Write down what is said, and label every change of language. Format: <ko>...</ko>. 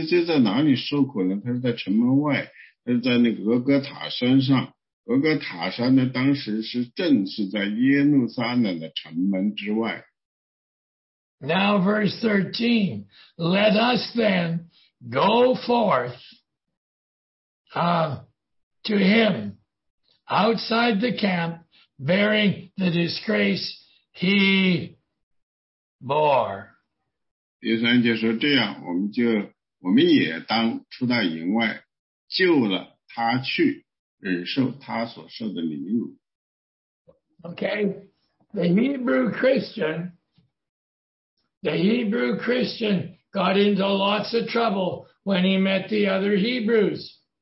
<zh>所以呢，主耶稣基督在哪里受苦呢？他是在城门外， 他是在那个俄哥塔山上。俄哥塔山呢， 当时是正是在耶路撒冷的城门之外。</zh> <en>Now verse 13, let us then go forth to him outside the camp bearing the disgrace he bore.</en> <zh>第三节说这样,我们也当出到营外,救了他去,忍受他所受的凌辱。</zh> <en>Okay, the Hebrew Christian... The Hebrew Christian got into lots of trouble when he met the other Hebrews.</en>